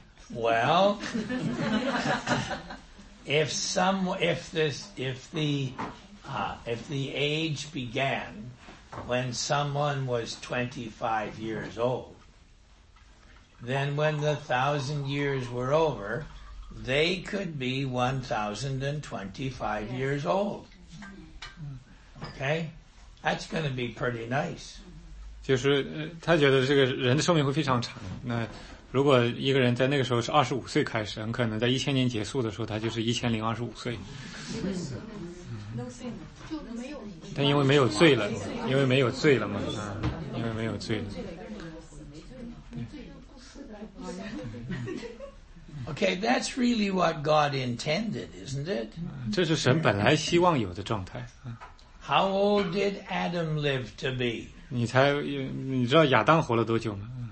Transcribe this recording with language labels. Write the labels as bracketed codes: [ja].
[en] Well, if the age began when someone was 25 years old, then when the 1,000 years were over, they could be 1,025 years old. Okay? That's going to be pretty nice. [zh] 就是他觉得这个人的寿命会非常长。那如果一个人在那个时候是25岁开始，很可能在1000年结束的时候他就是1025岁。但因为没有罪了，因为没有罪了嘛，啊，因为没有罪了。 [en] Okay, that's really what God intended, isn't it? [zh] 这是神本来希望有的状态。 [en] How old did Adam live to be? [zh] 你知道亚当活了多久吗？